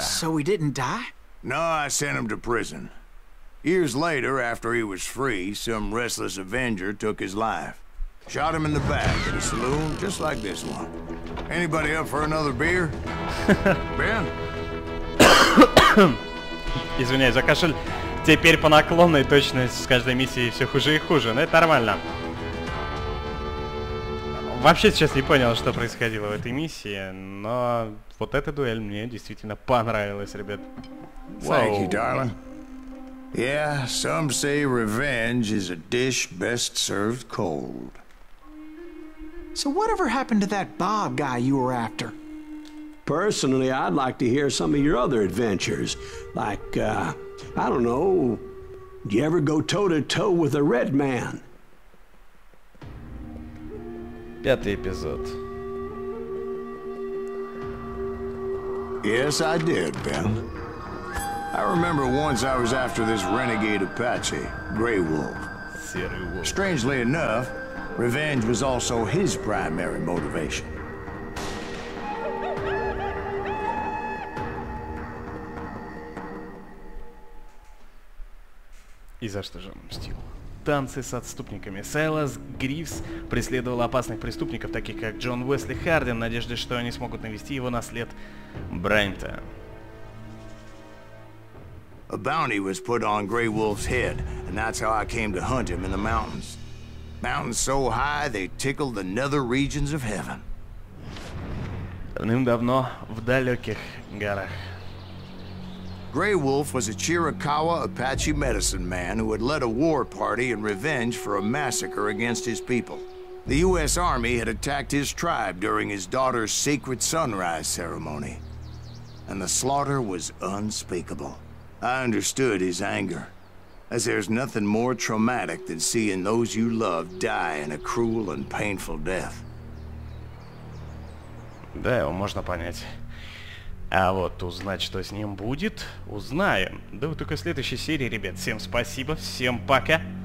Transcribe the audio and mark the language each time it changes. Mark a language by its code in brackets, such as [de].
[en] So he didn't die? No, I sent him to prison. Years later, after he was free, some restless avenger took his life. Shot him in the back at a saloon, just like this one. Anybody up for another beer? Ben? [ru] Извиняюсь за кашель. Теперь по наклонной точность с каждой миссией все хуже и хуже, но это нормально. Вообще сейчас не понял, что происходило в этой миссии, но вот эта дуэль мне действительно понравилась, ребят. [en] Thank you, darling. Yeah, some say revenge is a dish best served cold. So whatever happened to that Bob guy you were after? Personally, I'd like to hear some of your other adventures, like, I don't know, do you ever go toe-to-toe with a red man? [ru] Пятый эпизод. [en] Yes, I did, Ben. I remember once I was after this renegade Apache, Grey Wolf. Strangely enough, revenge was also his primary motivation. [ru] И за что же он мстил? Танцы с отступниками. Сайлас Гривс преследовал опасных преступников, таких как Джон Уэсли Хардин, в надежде, что они смогут навести его на след Брайнта. [en] A bounty was put on Grey Wolf's head, and that's how I came to hunt him in the mountains. Mountains so high, they tickled the nether regions of heaven. [ru] Давным-давно в далеких горах. [en] Grey Wolf was a Chiricahua Apache medicine man who had led a war party in revenge for a massacre against his people. The U.S. Army had attacked his tribe during his daughter's sacred sunrise ceremony. And the slaughter was unspeakable. I understood his anger, as there's nothing more traumatic than seeing those you love die in a cruel and painful death. [ru] Да, его можно понять. А вот узнать, что с ним будет, узнаем. Да вот только в следующей серии, ребят. Всем спасибо, всем пока.